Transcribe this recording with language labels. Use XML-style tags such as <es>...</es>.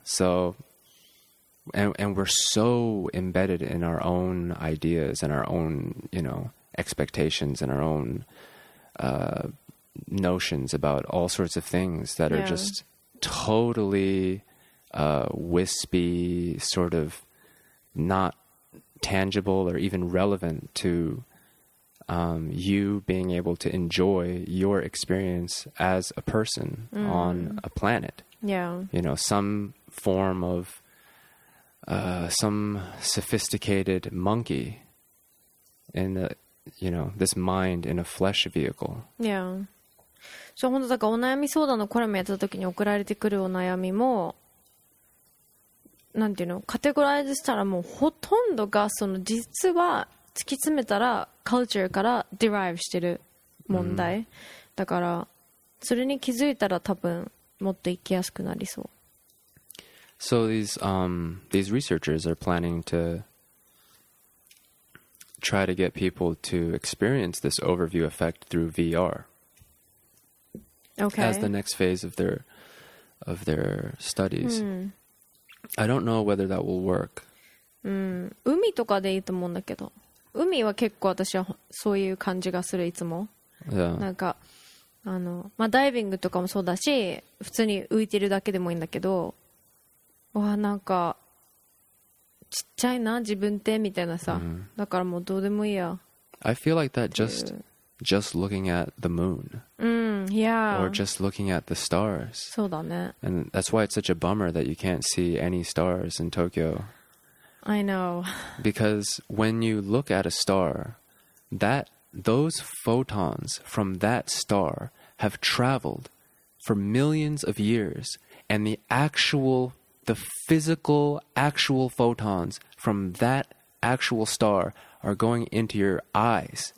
<en>So, and we're so embedded in our own ideas and our own, you know, expectations and our own notions about all sorts of things that are just totally wispy, sort of not tangible or even relevant to you being able to enjoy your experience as a person on a planet. Yeah. You know, some form of some sophisticated monkey in the, you know, this mind in a flesh vehicle. Yeah.</en> <ja>So, 本当だからお悩み相談のコラムやった時に送られてくるお悩みも、なんていうの、カテゴライズしたらもうほとんどがその実は突き詰めたらカルチャーからデライブしてる問題、だからそれに気づいたら多分もっと生きやすくなりそう。</ja> <en>So these researchers are planning to try to get people to experience this overview effect through VR. Okay. As the next phase of their studies. I don't know whether that will work.</en> <ja>海とかでいいと思うんだけど、海は結構私はそういう感じがする、いつも、</ja> <en>yeah.</en> <ja>なんかあの、まあ、ダイビングとかもそうだし、普通に浮いてるだけでもいいんだけど、わなんかちっちゃいな自分ってみたいなさ、だからもうどうでもいいや。</ja> <en>I feel like that just looking at the moon、 yeah. or just looking at the stars.</en> <ja>そうだね。</ja> <en>And that's why it's such a bummer that you can't see any stars in Tokyo I know. Because when you look at a star, those photons from that star have traveled for millions of years, and the physical photons from that actual star are going into your eyes.</en>